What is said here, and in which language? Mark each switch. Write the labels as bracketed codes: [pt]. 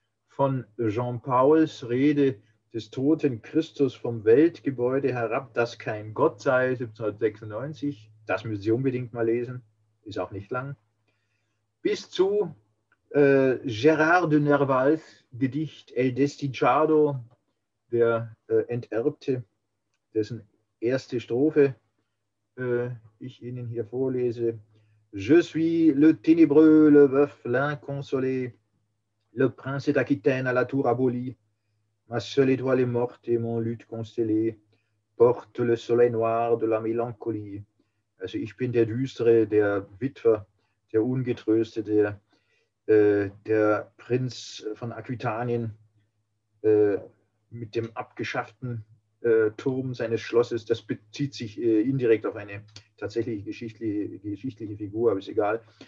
[de] Von Jean-Pauls Rede des toten Christus vom Weltgebäude herab, das kein Gott sei, 1796, das müssen Sie unbedingt mal lesen, ist auch nicht lang, bis zu Gérard de Nerval's Gedicht El Destigiado, der Enterbte, dessen erste Strophe ich Ihnen hier vorlese. [fr] Je suis le ténébreux, le veuf, l'inconsolé, le prince d'Aquitaine à la tour abolie. Ma seule étoile est morte et mon luth constellé porte le soleil noir de la mélancolie. [de] Also ich bin der Düstere, der Witwer, der Ungetröstete, der Prinz von Aquitanien mit dem abgeschafften Turm seines Schlosses. Das bezieht sich indirekt auf eine tatsächliche geschichtliche Figur, aber ist egal.